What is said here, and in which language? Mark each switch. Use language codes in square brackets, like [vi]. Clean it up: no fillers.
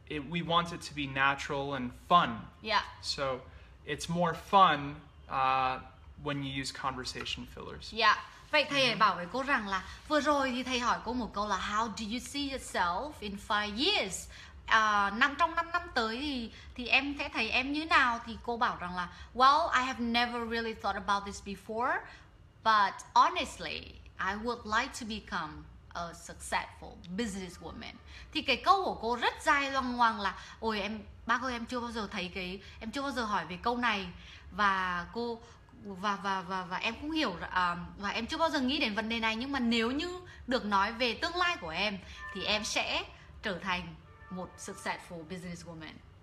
[en] We want it to be natural and fun. Yeah. So it's more fun when you use conversation fillers. [vi] Yeah. Vậy thầy mm-hmm. bảo với cô rằng là vừa rồi thì thầy hỏi cô một câu là [en] how do you see yourself in 5 years? [vi] Trong 5 năm tới thì em sẽ thấy em như nào? Thì cô bảo rằng là [en] well, I have never really thought about this before, but honestly, I would like to become a successful businesswoman. [vi] Thì cái câu của cô rất dài loằng ngoằng là ôi em, bác ơi, em chưa bao giờ thấy cái, em chưa bao giờ hỏi về câu này. Và cô và em cũng hiểu và em chưa bao giờ nghĩ đến vấn đề này, nhưng mà nếu như được nói về tương lai của em thì em sẽ trở thành một [en] successful businesswoman.